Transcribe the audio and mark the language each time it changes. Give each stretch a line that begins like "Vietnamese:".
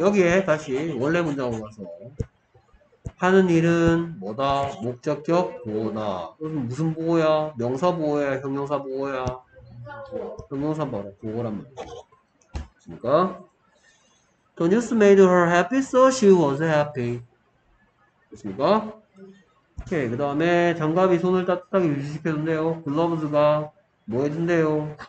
Korean: 여기에 다시 원래 문장으로 가서 하는 일은 뭐다? 목적격 보호다. 그럼 무슨 보호야? 명사 보호야? 형용사 보호야? 형용사 바로 보호란 말이야. 그러니까
English: The news made her happy, so she was happy.
Korean: 그렇습니까? 오케이. 그 다음에 장갑이 손을 따뜻하게 유지시켜준대요. 글러브즈가 뭐 해준대요?